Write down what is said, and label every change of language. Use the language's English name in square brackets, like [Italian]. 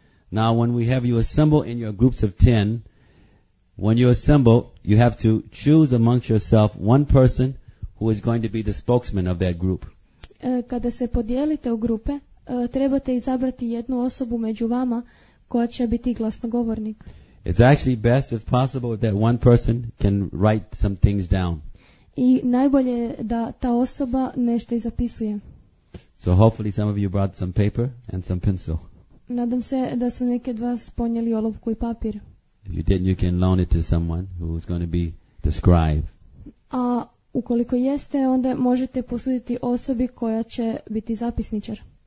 [English] Now when we have you assemble in your groups of 10, when you assemble, you have to choose amongst yourself one person who is going to be the spokesman of that group. [Croatian] Kada se podijelite u grupe, trebate izabrati jednu osobu među vama koja će biti glasnogovornik. [English] It's actually best if possible that one person can write some things down. [Croatian] I najbolje je da ta osoba nešto zapisuje. [English] So hopefully some of you brought some paper and some pencil. [Croatian] Nadam se da su neki od vas ponijeli olovku i papir. [English] If you didn't, you can loan it to someone who's going to be the scribe. [Croatian] A ukoliko jeste, onda možete posuditi osobi koja će biti zapisničar.